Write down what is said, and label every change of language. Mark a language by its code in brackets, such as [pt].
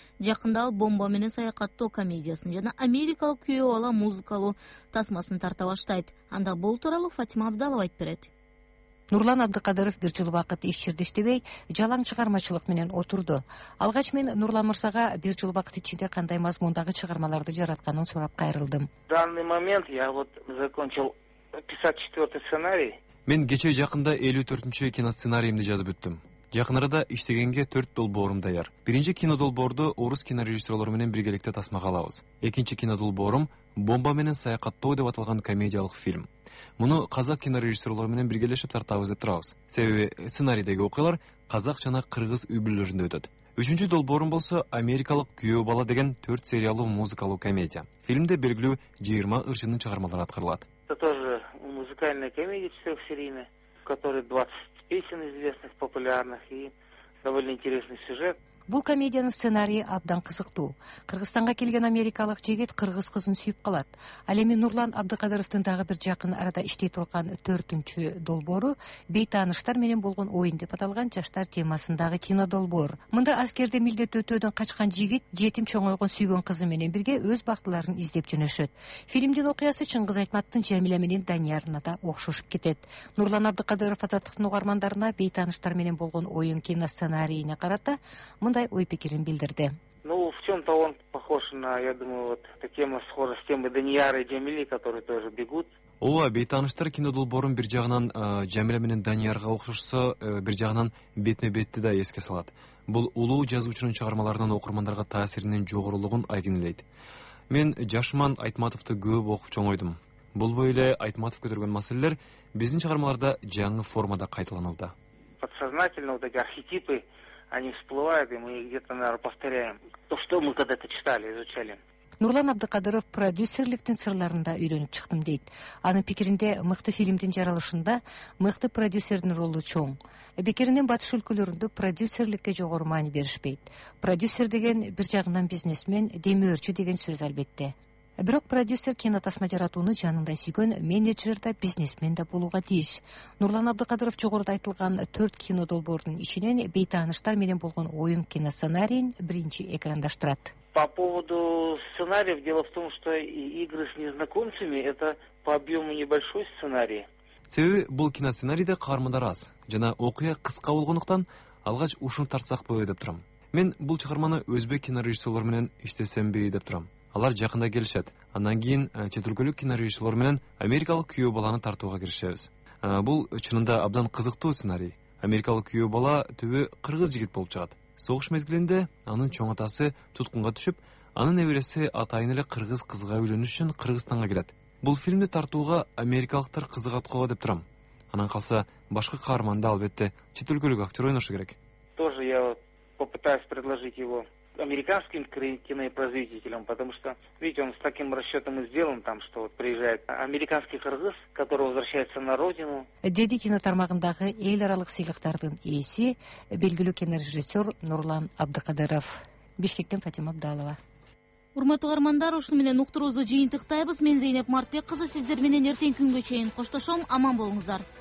[ky] Жакында ал Бомба менен саякаттоо комедиясын жана Америкалык күйөө ала музыкалуу тасмасын тарта баштайт. Анда бул тууралуу Фатима Абдалова айтып берет. Нурлан Абдыкадыров бир жыл убакыт иш жерде иштебей, жалаң чыгармачылык менен отурду. Алгач мен Нурлан мырзага бир жыл убакыт ичинде кандай мазмундагы чыгармаларды жаратканын сурап кайрылдым. [ru] Данный момент я вот закончил 54-й сценарий. [ky] Мен кечээ жакында 54-чү киносценарийимди жазып бүттүм. Жакын арада иштегенге 4 долбоорум даяр. Биринчи кинодолборду орус кинорежиссерлор менен биргеликте тасмага алабыз. Экинчи кинодолборум Бомба менен саякаттоо деп аталган комедиялык фильм. Муну казак кинорежиссерлор менен биргелешип тартабыз деп турабыз. Себеби сценарийдеги окуялар казак жана кыргыз үйбүлөрүндө өтөт. Үчүнчү долбоорум болсо Америкалык күйөө бала деген 4 сериялуу музыкалуу комедия. Фильмде белгилүү 20 ыршынын чыгармалары аткарылат. [ru] Это тоже музыкальная комедия четырехсерийная, в которой 20 песен известных, популярных и довольно интересный сюжет. [ky] Бул комедиянын сценарийи абдан кызыктуу. Кыргызстанга келген америкалык жигит кыргыз кызын сүйүп калат. Ал эми Нурлан Абдыкадыровдун дагы бир жакын арада иштей турган 4-чү долбоору бейтааныштар менен болгон оюн деп аталган жаштар темасындагы кинодолбоор. Мында аскерде милдет өтөөдөн качкан жигит жетим чоңойгон сүйгөн кызы менен бирге өз бактыларын издеп жөнөшөт. Фильмдин окуясы Чыңгыз Айтматовдун Жамиля менен Даниярына да окшошуп кетет. Нурлан Абдыкадыров азаттыктын угармандарына бейтааныштар менен болгон оюн киносценарийине карата мындай ой пикирин билдирди. [ru] Ну, в чем-то он похож на, я думаю, вот тема схожа с темой Данияры и Джамили, которые тоже бегут. [ky] Ооба, бейтааныштар кинодолбоорун бир жагынан Жамиля менен Даниярга окшошсо, бир жагынан бетме-бетти да эске салат. Бул улуу жазуучунун чыгармаларынын окурмандарга таасиринин жогорулугун айкинелейт. Мен Жашман Айтматовду көп окуп чоңойдум. Бул бою эле Айтматов көтөргөн маселелер биздин чыгармаларда жаңы формада кайталанууда. [ru] Подсознательно вот эти архетипы они всплывают, и мы где-то, наверное, повторяем то, что мы когда-то читали, изучали. [ky] Нурлан Абдыкадыров продюсерликтин сырларын да үйрөнүп чыктым дейт. Анын пикиринде мыкты фильмдин жаралышында мыкты продюсердин ролу чоң. Бекеринен батыш өлкөлөрүндө продюсерликке жогору маани беришпейт. Продюсер деген бир жагынан бизнесмен, демөөрчү деген сөз албетте. Бирок продюсер кино тасма жаратууну жанындай сүйгөн менеджер да бизнесмен да болууга тийиш. Нурлан Абдыкадыров жогоруда айтылган 4 кинодолбоордун ичинен бейтааныштар менен болгон оюн киносценарийин биринчи экрандаштырат. [ru] По поводу сценариев, дело в том, что игры с незнакомцами это по объему небольшой сценарий. [ky] Себеби бул киносценарийде каармандар аз жана окуя кыска болгондуктан алгач ушуну тартсак болот деп турам. Мен бул чыгарманы өзбек кинорежиссерлор менен иштесембей деп турам. Алар жакында келишет. Андан кийин чет өлкөлүк кинорежиссерлор менен америкалык күйөө баланы тартууга киришебиз. Бул чынында абдан кызыктуу сценарий. Америкалык күйөө бала түбү кыргыз жигит болуп чыгат. Согуш мезгилинде анын чоң атасы туткунга түшүп, анын небереси атайын эле кыргыз кызга үйлөнүш үчүн Кыргызстанга келет. Бул фильмди тартууга америкалыктар кызыгат кого деп турам. Анан калса, башка каарманды албетте чет өлкөлүк актёр ойношу керек. [ru] Тоже я попытаюсь предложить его американским кинопроизводителям, потому что, видите, он с таким расчетом и сделан там, что вот приезжает американский кыргыз, который возвращается на родину. [ky] Деди кинотармагындагы эл аралык сыйлыктардын ээси, белгилүү кинорежиссер Нурлан Абдыкадыров. Бишкектен Фатима Абдалова. Урматтуу каармандар, ушуну менен уктуруубузду жыйынтыктайбыз. Мен Зейнеп Мартбек кызы сиздер менен эртең күнгө чейин коштошом, аман болуңуздар.